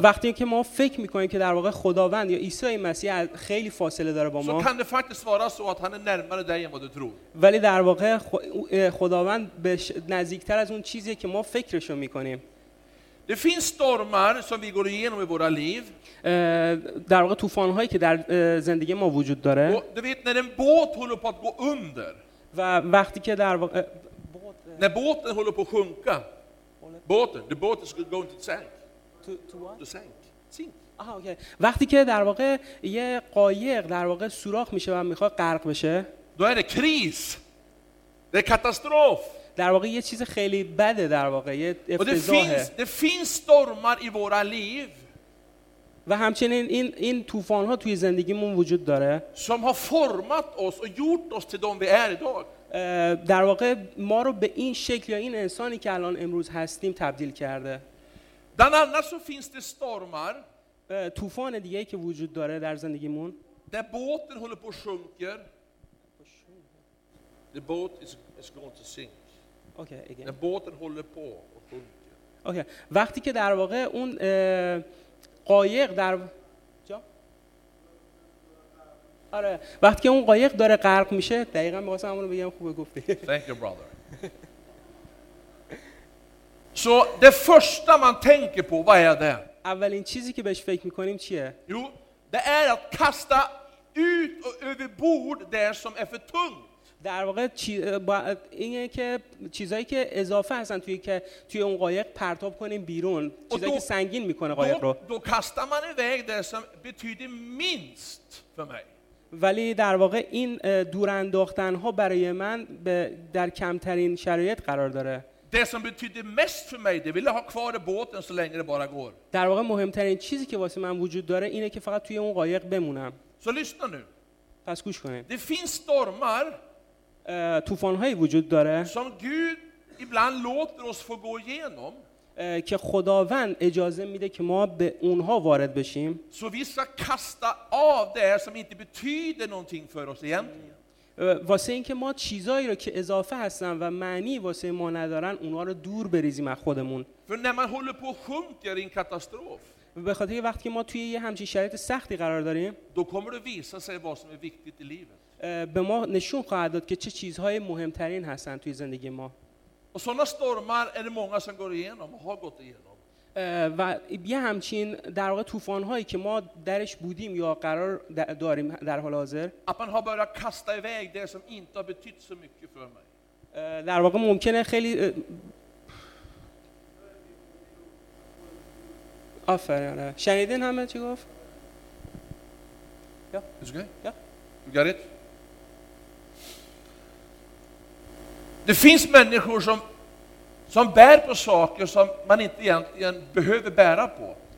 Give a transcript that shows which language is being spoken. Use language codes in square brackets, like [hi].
[fa] وقتی که ما فکر میکنیم که در واقع خداوند یا عیسی مسیح خیلی فاصله داره با ما. [sv] Så kan det faktiskt vara så att han är närmare dig än vad du tror. [fa] ولی در واقع خداوند نزدیکتر از اون چیزیه که ما فکرشو میکنیم. [sv] Det finns stormar som vi går igenom i våra liv. [fa] در واقع طوفان‌هایی که در زندگی ما وجود داره. [sv] Du vet när en båt håller på att gå under. [fa] و وقتی که در واقع [sv] när båten håller på att sjunka. [en] Båten, the boat is going to sink. To what? To sink. Aha, okay. [fa] وقتی که در واقع یه قایق در واقع سوراخ میشه و میخواد غرق بشه. [sv] Då är det kris. Det är katastrof. [fa] در واقع یه چیز خیلی بده در واقع یه افتضاحه. [sv] Det finns stormar i våra liv. [fa] و همچنین این طوفان ها توی زندگیمون وجود داره. [sv] Som har format oss och gjort oss till de vi är idag. [fa] در واقع ما رو به این شکل یا این انسانی که الان امروز هستیم تبدیل کرده. [sv] Bland annat så finns det stormar. [fa] طوفان دیگه‌ای که وجود داره در زندگیمون. [sv] Där båten håller på att sjunker. [en] The boat is going to sink. Okay, again. [sv] The båten håller på att sjunka. [en] Okay. [fa] وقتی که در واقع اون قایق در آره وقتی که اون قایق داره غرق میشه دقیقاً می‌خواستم اون رو بگم خوبه گفتی. [en] Thank you brother. So the first man [sv] tänker på vad är det? [fa] اولین چیزی که بهش فکر می‌کنیم چیه؟ [sv] Jo, det är att kasta ut och över bord det som är för tungt. [fa] در واقع اینه که چیزایی که اضافه هستن توی اون قایق پرتاب کنیم بیرون چیزایی که سنگین میکنه قایق رو. [sv] Då kastar man iväg det som betyder minst för mig. [fa] ولی در واقع این دور انداختن ها برای من در کمترین شرایط قرار داره. [sv] Det som betyder mest för mig, det vill jag ha kvar i båten så länge det bara går. [fa] در واقع مهمترین چیزی که واسه من وجود داره اینه که فقط توی اون قایق بمونم. [sv] Så lyssna nu. [fa] پس گوش کنید. [sv] Det finns stormar. [fa] طوفان هایی وجود داره. [sv] Som Gud ibland låter oss få gå igenom. [fa] که خداوند اجازه میده که ما به اونها وارد بشیم. [sv] Så vi ska kasta av det som inte betyder någonting för oss egentligen. [fa] واسه اینکه ما چیزایی رو که اضافه هستن و معنی واسه ما ندارن اونها رو دور بریزیم از خودمون. [sv] För när man håller på att sjunka i en katastrof. [fa] به خاطر اینکه وقتی ما توی یه همچین شرایط سختی قرار داریم. [sv] Då kommer det visa sig vad som är viktigt i livet. [fa] به ما نشون خواهد داد که چه چیزهای مهمترین هستن توی زندگی ما. [sv] Och såna stormar är det många som går igenom och har gått igenom. [fa] و یه همچین در واقع طوفان هایی که ما درش بودیم یا قرار داریم در حال حاضر. [sv] Man har börjat kasta iväg det som inte har betytt så mycket för mig. [fa] در واقع ممکنه خیلی آفرین. شنیدین همه چی گفت؟ یا از گه؟ یا گارت [sv] Det finns människor som bär på saker som man inte egentligen behöver bära på.